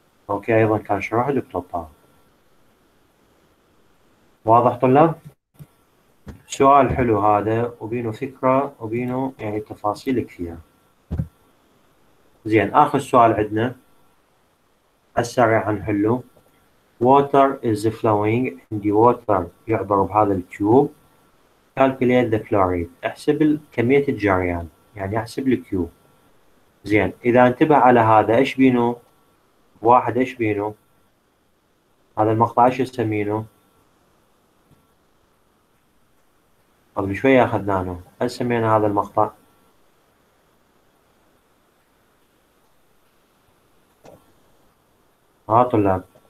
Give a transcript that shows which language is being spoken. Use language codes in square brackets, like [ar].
[ar] اوكي ايضا كان شرحه دكتور طه. واضح طلاب؟ سؤال حلو هذا وبينه فكره وبينه يعني تفاصيل كثيره. زين اخر سؤال عندنا السريع حنحله. [en] Water is flowing and the water [ar] يعبر بهذا التيوب. [en] Calculate the flow rate، [ar] احسب كميه الجريان يعني احسب الكيو. زين اذا انتبه على هذا ايش بينه؟ واحد ايش بينه؟ هذا المقطع ايش يسمينه؟ قبل شويه اخذناه، ايش سمينا هذا المقطع؟ ها طلاب؟